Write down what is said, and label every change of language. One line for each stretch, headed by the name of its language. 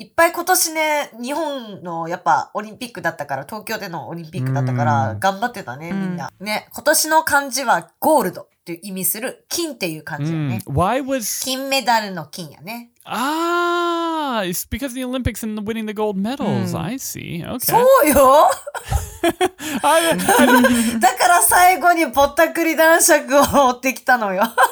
Japanese: いっぱい今年ね、日本のやっぱオリンピックだったから、東京でのオリンピックだったから、頑張ってたね、みんな。ね、今年の漢字はゴールドって意味する金っていう漢字ね。
English: Why was...
Japanese: 金メダルの金やね。
English: Ah, it's because of the Olympics and winning the gold medals. I see. Okay.
Japanese: そうよ。だから最後にぼったくり男爵を追ってきたのよ。